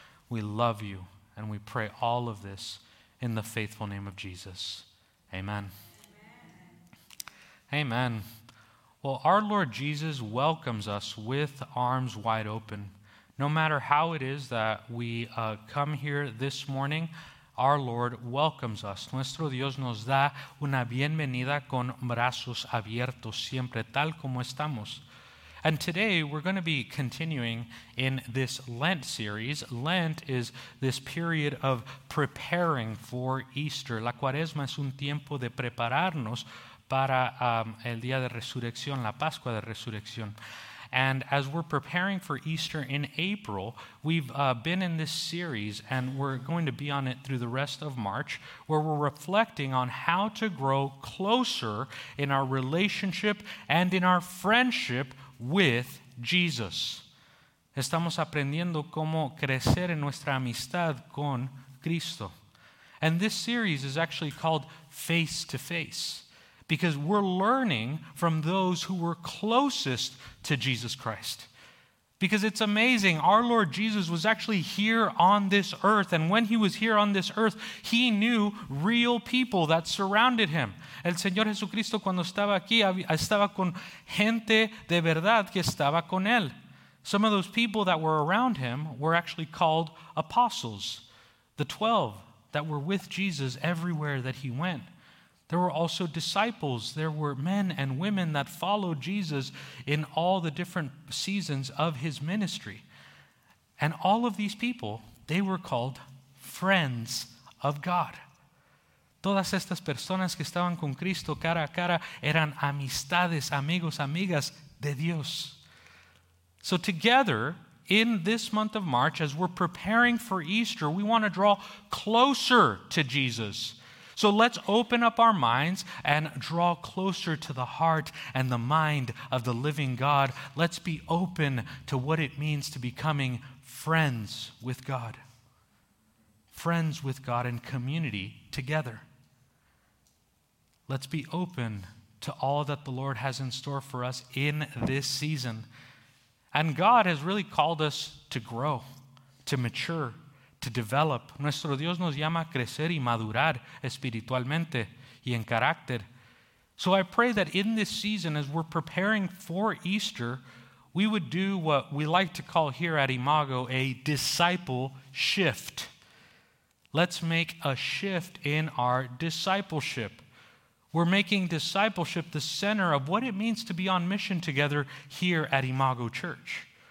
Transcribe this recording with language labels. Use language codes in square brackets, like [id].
[en] We love you, and we pray all of this in the faithful name of Jesus. Amen. Amen. Amen. Well, our Lord Jesus welcomes us with arms wide open. No matter how it is that we come here this morning, our Lord welcomes us. [es] Nuestro Dios nos da una bienvenida con brazos abiertos siempre, tal como estamos. [en] And today, we're going to be continuing in this Lent series. Lent is this period of preparing for Easter. [es] La cuaresma es un tiempo de prepararnos para el día de resurrección, la Pascua de resurrección. [en] And as we're preparing for Easter in April, we've been in this series, and we're going to be on it through the rest of March, where we're reflecting on how to grow closer in our relationship and in our friendship with Jesus. [es] Estamos aprendiendo cómo crecer en nuestra amistad con Cristo. [en] And this series is actually called Face to Face, because we're learning from those who were closest to Jesus Christ. Because it's amazing, our Lord Jesus was actually here on this earth, and when he was here on this earth, he knew real people that surrounded him. [es] El Señor Jesucristo, cuando estaba aquí, estaba con gente de verdad que estaba con él. [en] Some of those people that were around him were actually called apostles, the 12 that were with Jesus everywhere that he went. There were also disciples. There were men and women that followed Jesus in all the different seasons of his ministry. And all of these people, they were called friends of God. [es] Todas estas personas que estaban con Cristo cara a cara eran amistades, amigos, amigas de Dios. [en] So together, in this month of March, as we're preparing for Easter, we want to draw closer to Jesus. So let's open up our minds and draw closer to the heart and the mind of the living God. Let's be open to what it means to becoming friends with God. Friends with God and community together. Let's be open to all that the Lord has in store for us in this season. And God has really called us to grow, to mature, to develop. [es] Nuestro Dios nos llama a crecer y madurar espiritualmente y en carácter. [en] So I pray that in this season, as we're preparing for Easter, we would do what we like to call here at Imago a disciple shift. Let's make a shift in our discipleship. We're making discipleship the center of what it means to be on mission together here at Imago Church.